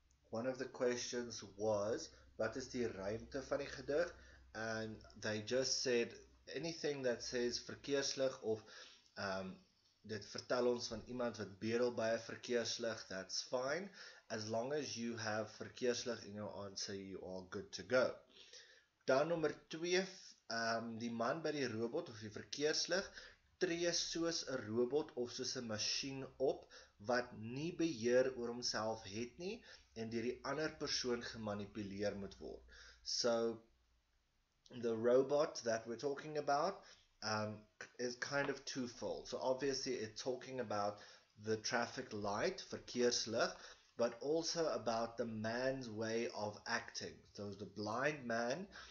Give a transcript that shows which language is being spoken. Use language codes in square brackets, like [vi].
[en] One of the questions was, [af] wat is die ruimte van die gedig? [en] And they just said, anything that says [af] verkeerslig of dit vertel ons van iemand wat bedel by 'n verkeerslig, [en] that's fine. As long as you have verkeerslig in your answer, you are good to go. [af] Dan nummer 2, die man by die robot of die verkeerslig, tree soos 'n robot of soos 'n masjien op, wat nie beheer oor homself het nie, en deur die ander persoon gemanipuleer moet word. [en] So, the robot that we're talking about, is kind of twofold. So obviously it's talking about the traffic light, verkeerslig, but also about the man's way of acting. So the blind man